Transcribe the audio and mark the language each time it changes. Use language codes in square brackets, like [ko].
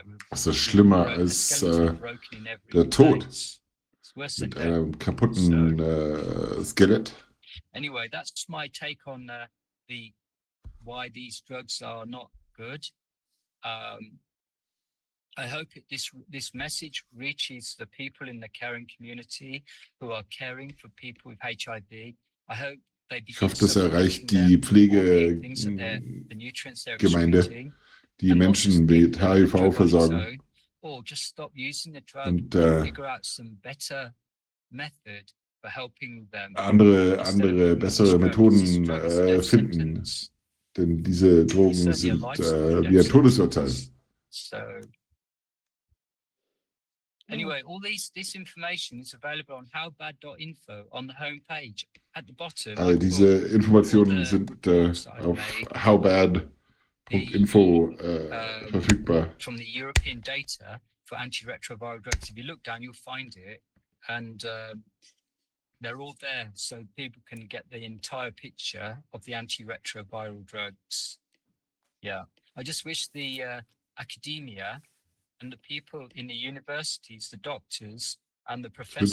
[de] Das ist schlimmer als der Tod mit einem kaputten Skelett. [en] Anyway, that's my take on the why these drugs are not good. I hope this message reaches the people in the caring community who are caring for people with HIV. I hope they begin. [de] Ich hoffe, das erreicht die Pflegegemeinde, die Menschen mit HIV versorgen. Und andere bessere Methoden finden, denn diese Drogen sind wie ein Todesurteil. [en] Anyway, all this information is available on howbad.info on the homepage at the bottom. [de] All diese Informationen sind auf howbad.info verfügbar. [en] From the European data for antiretroviral drugs, if you look down, you'll find it, and they're all there, so people can get the entire picture of the antiretroviral drugs. Yeah, I just wish the academia. And the people in the universities, the doctors and the professors.